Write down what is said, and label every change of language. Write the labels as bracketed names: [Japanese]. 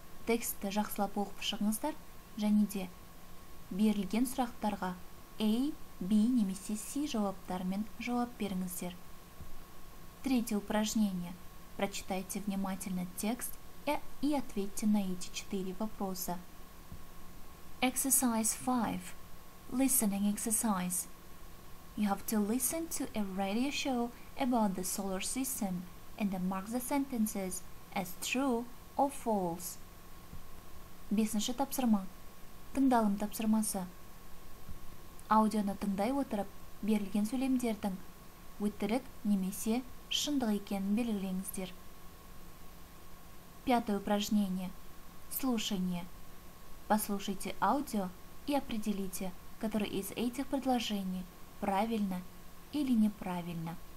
[Kazakh] Тексті жақсылап оқып шығыңыздар және де берілген сұрақтарға A, B немесе C жауаптарымен жауап беріңіздер. [Russian] Третье упражнение. Прочитайте внимательно текст и ответьте на эти четыре вопроса. [English] Exercise 5. Listening exercise. You have to listen to a radio show about the solar system and mark the sentences as true or false. [Kazakh] Бесінші тапсырма. Тыңдалым тапсырмасы. Аудионы тыңдай отырып, берілген сөйлемдердің өтірік немесе шындық екенін белгілеңіздер. [Russian] Пятое упражнение. Слушание. Послушайте аудио и определите, которое из этих предложений правильно или неправильно.